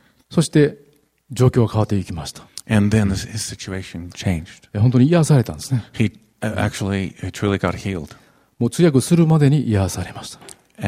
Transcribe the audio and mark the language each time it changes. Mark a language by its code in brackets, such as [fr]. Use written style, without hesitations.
[ja] そして状況は変わっていきました。 [en] And then his situation changed. [ja] 本当に癒されたんですね。 [en] He actually truly got healed. [ja] もう通訳するまでに癒されました。